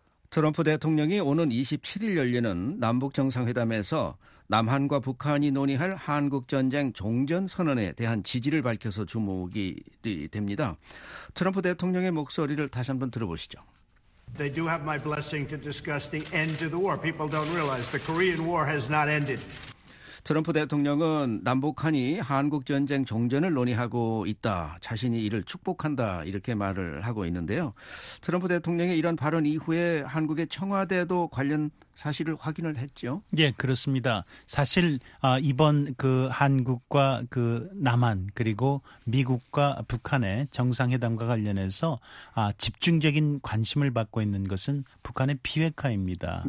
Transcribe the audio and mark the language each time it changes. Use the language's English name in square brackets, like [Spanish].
[Korean] 트럼프 대통령이 오는 27일 열리는 남북정상회담에서 남한과 북한이 논의할 한국전쟁 종전선언에 대한 지지를 밝혀서 주목이 됩니다. 트럼프 대통령의 목소리를 다시 한번 들어보시죠. [English] They do have my blessing to discuss the end of the war. People don't realize the Korean War has not ended. [Korean] 트럼프 대통령은 남북한이 한국전쟁 종전을 논의하고 있다. 자신이 이를 축복한다. 이렇게 말을 하고 있는데요. 트럼프 대통령의 이런 발언 이후에 한국의 청와대도 관련 사실을 확인을 했죠? 예, 그렇습니다. 사실 이번 그 한국과 그 남한 그리고 미국과 북한의 정상회담과 관련해서 집중적인 관심을 받고 있는 것은 북한의 비핵화입니다.